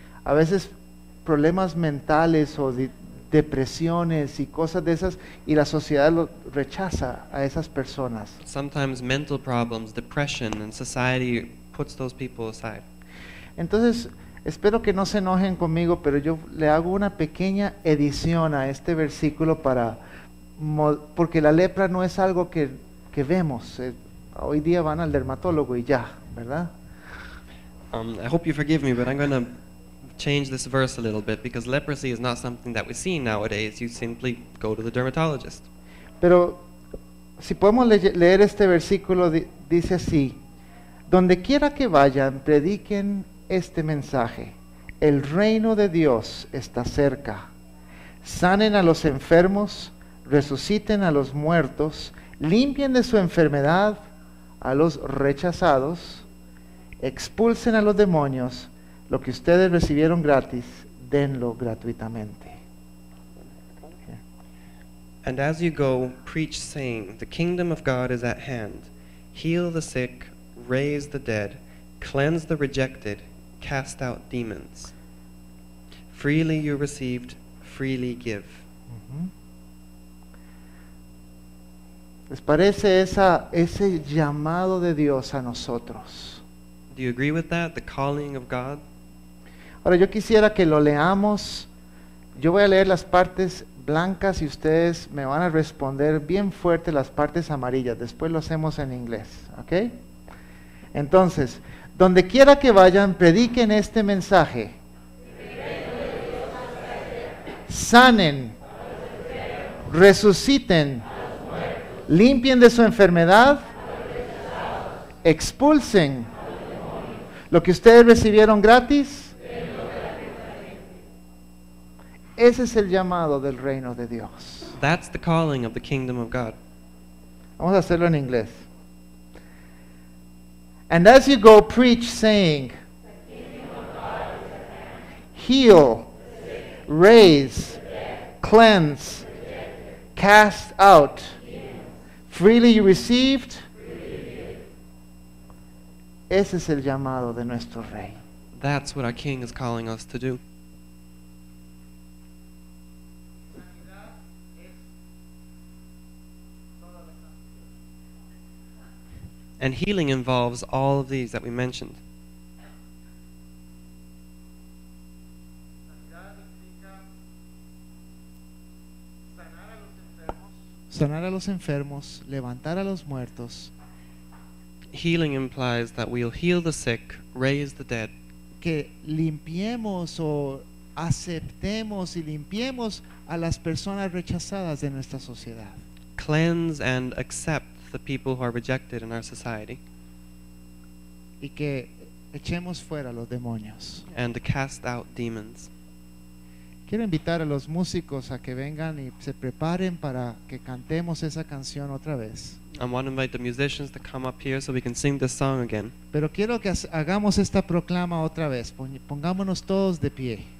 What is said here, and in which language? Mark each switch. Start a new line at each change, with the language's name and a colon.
Spanish: A veces problemas mentales o depresiones y cosas de esas, y la sociedad lo rechaza a esas personas.
English: Sometimes mental problems, depression, and society puts those people aside.
Spanish: Entonces, espero que no se enojen conmigo, pero yo le hago una pequeña edición a este versículo para, porque la lepra no es algo que vemos. Hoy día van al dermatólogo y ya, ¿verdad?
English: I hope you forgive me, but I'm going to change this verse a little bit, because leprosy is not something that we see nowadays. You simply go to the dermatologist.
Spanish: Pero si podemos leer este versículo, dice así: donde quiera que vayan, prediquen este mensaje: el reino de Dios está cerca. Sanen a los enfermos, resuciten a los muertos, limpien de su enfermedad a los rechazados, expulsen a los demonios. Lo que ustedes recibieron gratis, denlo gratuitamente.
English: And as you go, preach saying, the kingdom of God is at hand. Heal the sick, raise the dead, cleanse the rejected, cast out demons. Freely you received, freely give.
Spanish: ¿Les parece ese llamado de Dios a nosotros?
English: Do you agree with that, the calling of God?
Spanish: Ahora yo quisiera que lo leamos. Yo voy a leer las partes blancas y ustedes me van a responder bien fuerte las partes amarillas. Después lo hacemos en inglés, ¿ok? Entonces, donde quiera que vayan, prediquen este mensaje. Sanen. Resuciten. Limpien de su enfermedad. Expulsen. Lo que ustedes recibieron gratis. Ese es el llamado del reino de Dios.
English: That's the calling of the kingdom of God.
Spanish: Vamos a hacerlo en inglés.
English: And as you go, preach, saying, the kingdom of God is at hand. Heal, raise, cleanse, cast out. Freely you received.
Spanish: Ese es el llamado de nuestro rey.
English: That's what our king is calling us to do. And healing involves all of these that we mentioned.
Spanish: Sanar a los enfermos, levantar a los muertos.
English: Healing implies that we'll heal the sick, raise the dead.
Spanish: Que limpiemos o aceptemos y limpiemos a las personas rechazadas de nuestra sociedad.
English: Cleanse and accept the people who are rejected in our society.
Spanish: Y que echemos fuera los demonios.
English: And to cast out demons.
Spanish: Quiero invitar a los músicos a que vengan y se preparen para que cantemos esa canción otra vez.
English: I want to invite the musicians to come up here so we can sing this song again.
Spanish: Pero quiero que hagamos esta proclama otra vez. Pongámonos todos de pie.